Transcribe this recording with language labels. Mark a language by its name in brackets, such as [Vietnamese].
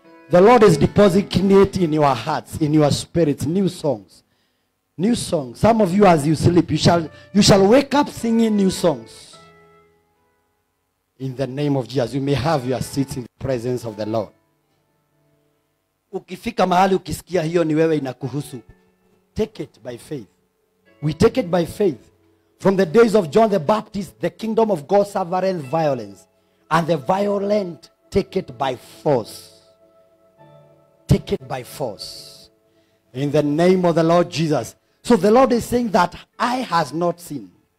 [English] The Lord is depositing it in your hearts, in your spirits, new songs, new songs. Some of you, as you sleep, you shall wake up singing new songs. In the name of Jesus, you may have your seats in the presence of the Lord. [Swahili] Ukifika mahali ukisikia hiyo ni wewe inakuhusu. [English] Take it by faith. We take it by faith. From the days of John the Baptist, the kingdom of God suffered violence. And the violent take it by force. Take it by force. In the name of the Lord Jesus. So the Lord is saying that eye has not seen.